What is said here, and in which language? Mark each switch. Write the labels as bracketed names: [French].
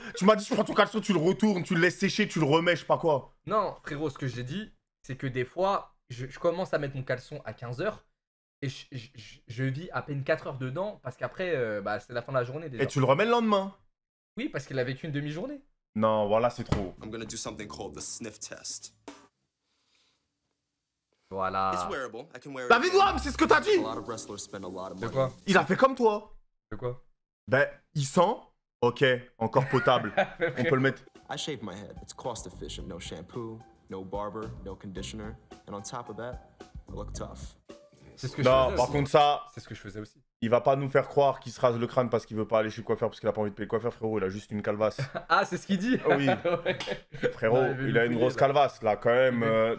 [French] Tu m'as dit, tu prends ton caleçon, tu le retournes, tu le laisses sécher, tu le remets, je sais pas quoi. Non, frérot, ce que j'ai dit, c'est que des fois, je commence à mettre mon caleçon à 15h et je vis à peine 4h dedans parce qu'après, bah, c'est la fin de la journée déjà. Et tu le remets le lendemain? Oui, parce qu'il a vécu une demi-journée. Non, voilà, c'est trop. [English] I'm gonna do something called the sniff test. [French] Voilà. La vie de l'homme, c'est ce que t'as dit. De quoi? Il a fait comme toi. De quoi? Ben, il sent. Ok, encore potable. On peut le mettre. [English] I shave my head. It's cost efficient. No shampoo, no barber, no conditioner. And on top of that, I look tough. [French] C'est ce que non, je faisais. Non, par aussi. Contre ça. C'est ce que je faisais aussi. Il va pas nous faire croire qu'il se rase le crâne parce qu'il veut pas aller chez le coiffeur parce qu'il a pas envie de payer le coiffeur, frérot. Il a juste une calvasse. Ah, c'est ce qu'il dit. Oui. Frérot, non, il a une grosse calvasse là, quand même.